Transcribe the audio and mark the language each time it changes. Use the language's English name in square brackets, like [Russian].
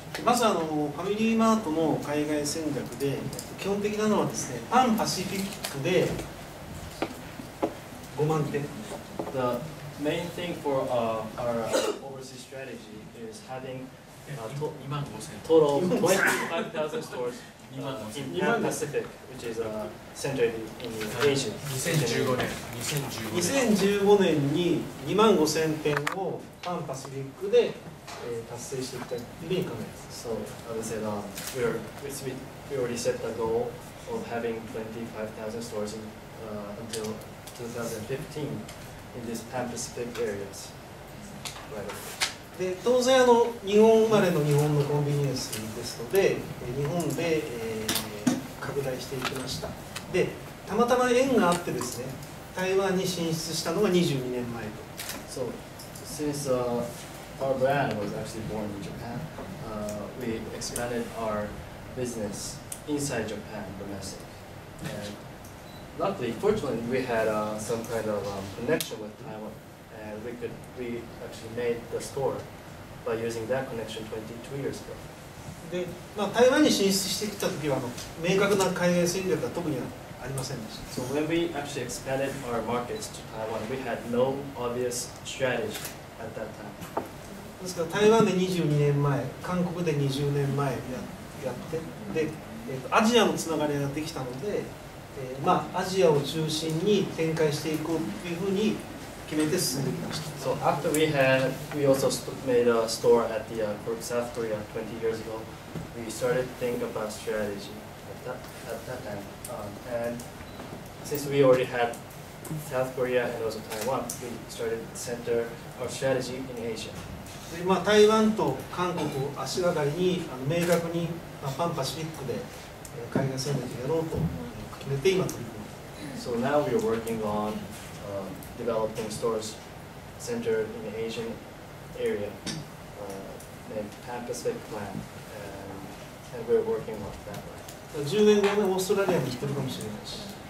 [Japanese] まずファミリーマートの海外戦略で基本的なのはですね、パンパシフィックで5万点。 [English] The main thing for our overseas strategy is having 25,000 stores in Pacific, which is centered in Asia. [Japanese] 2015年に2万5000点をパンパシフィックで達成していきたいというふうに考えます。 [English] So I would say that we already set the goal of having 25,000 stores in, until 2015 in this Pan-Pacific areas. Right. [Japanese] 当然日本生まれの日本のコンビニエンスですので日本で、拡大していきました。でたまたま縁があってですね、台湾に進出したのが22年前と。 [English] So since our brand was actually born in Japan, we expanded our business inside Japan domestic. And luckily, fortunately, we had some kind of connection with Taiwan, and we actually made the store by using that connection 22 years ago. [Japanese] で、まあ、台湾に進出してきた時は明確な海外戦略は特にありませんでした。 [English] So when we actually expanded our markets to Taiwan, we had no obvious strategy at that time. [Japanese] ですから台湾で22年前、韓国で20年前やって、で、アジアのつながりができたので、まあ、アジアを中心に展開していこうというふうに決めて進んできました。 [English] So after we also made a store at the South Korea 20 years ago, we started to think about strategy at that time. And since we already had South Korea and also Taiwan, we started to center our strategy in Asia. [Japanese] でまあ、台湾と韓国を足がかりに明確に、まあ、パンパシフィックで海外戦略をやろうと決めて今取り組んでいます。 [English] So now we are working on developing stores centered in the Asian area, named Pan-Pacific Plan, and we are working on that one. [Japanese] 10年後にオーストラリアに行ってるかもしれないし。